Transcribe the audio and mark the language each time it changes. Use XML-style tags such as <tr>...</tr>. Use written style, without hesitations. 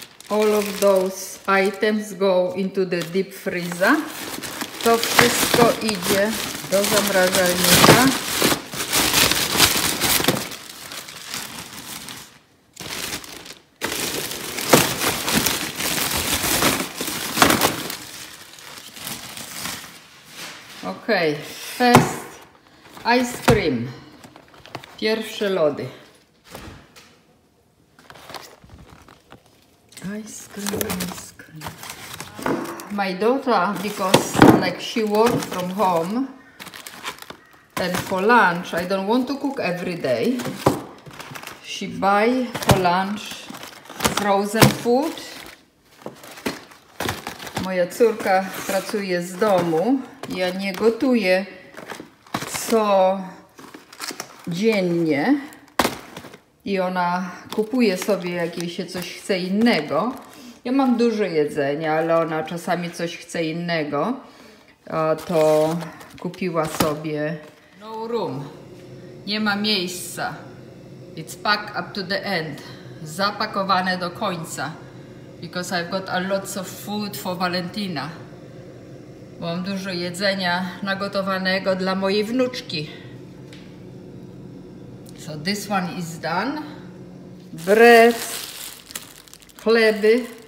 <en>all of those items go into the deep freezer.</en> <pl>To wszystko idzie do zamrażalnika.</pl> <en>Okay, first ice cream.</en> <pl>Pierwsze lody.</pl> <en>Ice cream. My daughter, because like she worked from home and for lunch, I don't want to cook every day. She buy for lunch frozen food.</en> <pl>Moja córka pracuje z domu. Ja nie gotuję co dziennie i ona kupuje sobie, jak jej się coś chce innego. Ja mam dużo jedzenia, ale ona czasami coś chce innego, to kupiła sobie. No room, nie ma miejsca. It's packed up to the end, zapakowane do końca.</pl> <en>Because I've got a lot of food for Valentina.</en> <pl>Mam dużo jedzenia nagotowanego dla mojej wnuczki.</pl> <en>So this one is done. Bread,</en> <pl>chleby.</pl>